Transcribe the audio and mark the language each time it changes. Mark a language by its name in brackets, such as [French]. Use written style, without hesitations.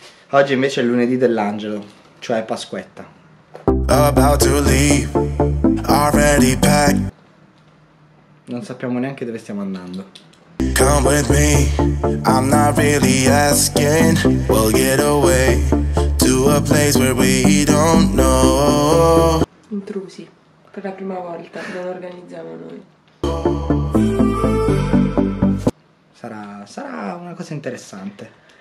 [Italian] Oggi invece è lunedì dell'angelo, cioè Pasquetta. [English] About to leave, already packed. [Italian] Non sappiamo neanche dove stiamo andando. [English] Come with me, I'm not really asking. We'll get away to a place where we don't know. [Italian] Intrusi, per la prima volta, non organizziamo noi. Sarà una cosa interessante.